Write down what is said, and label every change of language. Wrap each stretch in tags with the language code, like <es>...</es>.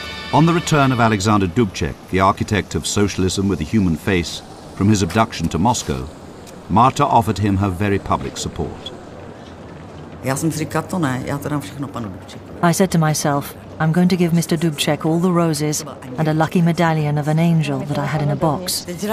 <en>On the return of Alexander Dubček, the architect of socialism with a human face, from his abduction to Moscow, Marta offered him her very public support.</en> <cs>Já jsem si říkal, to ne, já to dám všechno panu Dubčekovi.</cs> <en>I said to myself, I'm going to give Mr. Dubček all the roses and a lucky medallion of an angel that I had in a box.</en>